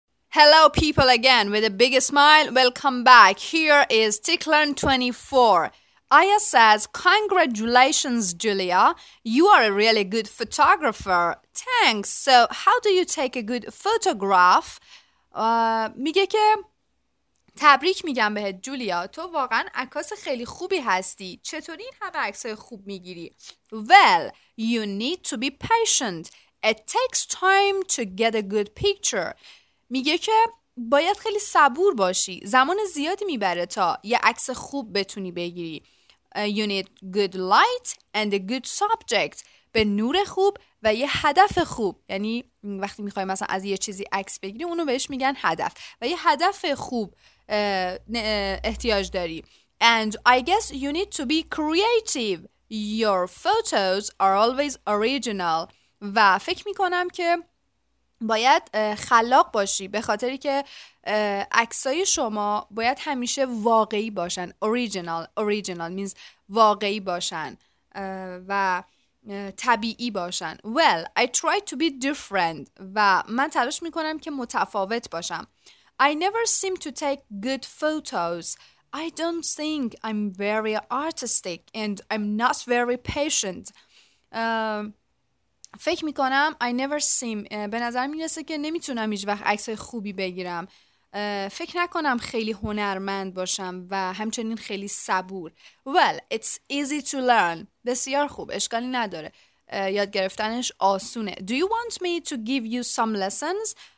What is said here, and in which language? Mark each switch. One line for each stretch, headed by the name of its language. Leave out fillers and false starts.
English: Hello, people, again with a big smile. Welcome back. Here is Tech Learn 24. Aya says, congratulations, Julia. You are a really good photographer. Thanks. So how do you take a good photograph?
Persian: میگه که تبریک میگم بهت جولیا. تو واقعا عکاس خیلی خوبی هستی. چطوری این همه عکس خوب میگیری؟
English: Well, you need to be patient. It takes time to get a good picture.
Persian: میگه که باید خیلی صبور باشی. زمان زیادی میبره تا یه عکس خوب بتونی بگیری.
English: You need good light and a good subject.
Persian: به نور خوب و یه هدف خوب. یعنی وقتی میخوای مثلا از یه چیزی عکس بگیری اونو بهش میگن هدف. و یه هدف خوب احتیاج داری.
English: And I guess you need to be creative. Your photos are always original.
Persian: و فکر میکنم که باید خلاق باشی، به خاطری که عکسای شما باید همیشه واقعی باشن.
English: Original means
Persian: واقعی باشن و طبیعی باشن.
English: Well, I try to be different.
Persian: و من تلاش میکنم که متفاوت باشم.
English: I never seem to take good photos. I don't think I'm very artistic and I'm not very patient.
Persian: فکر میکنم
English: I never seem
Persian: به نظر میرسه که نمیتونم هیچ وقت عکسای خوبی بگیرم. فکر نکنم خیلی هنرمند باشم و همچنین خیلی صبور.
English: Well, it's easy to learn.
Persian: بسیار خوب، اشکالی نداره، یاد گرفتنش آسونه.
English: Do you want me to give you some lessons?